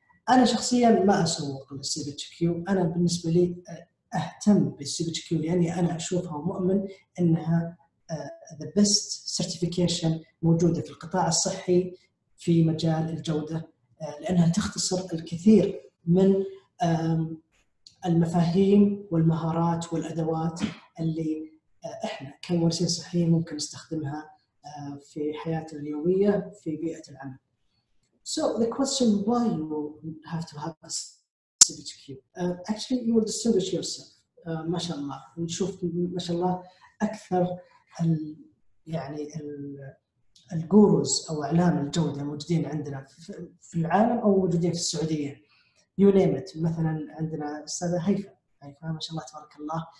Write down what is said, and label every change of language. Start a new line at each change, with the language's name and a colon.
Arabic: أنا شخصياً ما أسوق للCPQ، أنا بالنسبة لي أهتم بالCPQ لأني أنا أشوفها ومؤمن أنها
English: the best certification
Arabic: موجودة في القطاع الصحي في مجال الجودة، لأنها تختصر الكثير من المفاهيم والمهارات والأدوات اللي إحنا كممارسين صحيين ممكن نستخدمها في حياتنا اليومية في بيئة العمل.
English: So the question why you have to have this CPQ. Actually, you will distinguish yourself.
Arabic: ما شاء الله. نشوف ما شاء الله أكثر يعني الجوروز أو أعلام الجودة موجودين عندنا في العالم أو موجودين في السعودية.
English: You name it.
Arabic: مثلاً عندنا أستاذة هيفا. هيفا ما شاء الله تبارك الله.